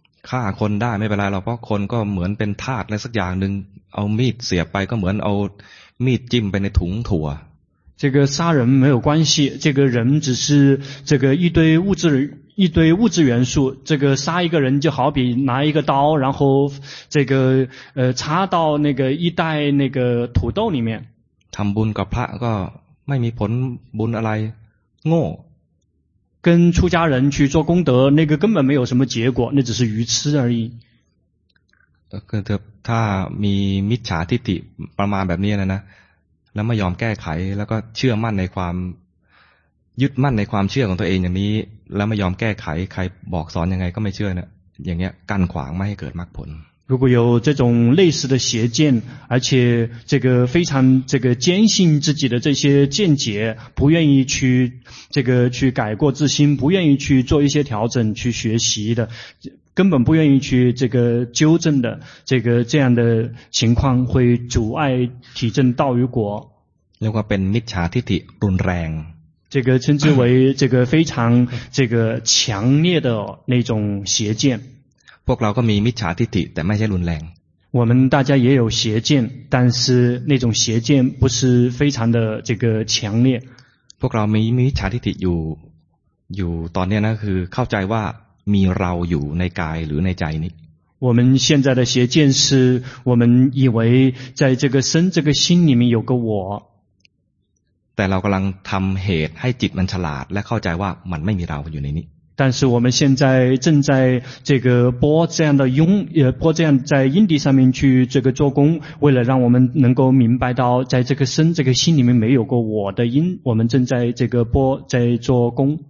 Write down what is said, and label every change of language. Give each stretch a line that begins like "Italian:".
Thai: ฆ่าคนได้ไม่เป็นไรหรอกเพราะคนก็เหมือนเป็นทาสอะไรสักอย่างหนึ่งเอามีดเสียบไปก็เหมือนเอามีดจิ้มไปในถุงถั่ว
Chinese: 这个杀人没有关系，这个人只是这个一堆物质元素，这个杀一个人就好比拿一个刀，然后这个插到那个一袋那个土豆里面。
Thai: ทำบุญกับพระก็ไม่มีผลบุญอะไรโง่
Chinese: 跟出家人去做功德，那个根本没有什么结果，那只是愚痴而已。
Thai: ถ้ามีมิจฉาทิฏฐิประมาณแบบนี้นะแล้วไม่ยอมแก้ไขแล้วก็เชื่อมั่นในความยึดมั่นในความเชื่อของตัวเองอย่างนี้แล้วไม่ยอมแก้ไขใครบอกสอนยังไงก็ไม่เชื่อเนี่ยอย่างเงี้ยกั้นขวางไม่ให้เกิดมรรคผล
Chinese: 如果有这种类似的邪见，而且这个非常这个坚信自己的这些见解，不愿意去这个去改过自新，不愿意去做一些调整去学习的，根本不愿意去这个纠正的，这个这样的情况会阻碍体证道与果。如果
Thai: เป็นมิจฉาทิฏฐิรุนแรง
Chinese: 这个称之为这个非常这个强烈的那种邪见。
Thai: พวกเราก็มีมิจฉาทิฏฐิแต่ไม่ใช่รุนแรง
Chinese: 我们大家也有邪见但是那种邪见不是非常的这个强烈
Thai: พวกเรามีมิจฉาทิฏฐิอยู่ตอนนี้นะคือเข้าใจว่ามีเราอยู่ในกายหรือในใจนี้
Chinese: 我们现在的邪见是我们以为在这个身这个心里面有个我
Thai: แต่เรากำลังทำเหตุให้จิตมันฉลาดและเข้าใจว่ามันไม่มีเราอยู่ในนี้
Chinese: 但是我们现在正在这个播这样的音，播这样在因地上面去这个做工，为了让我们能够明白到，在这个身这个心里面没有过我的因，我们正在这个播在做工。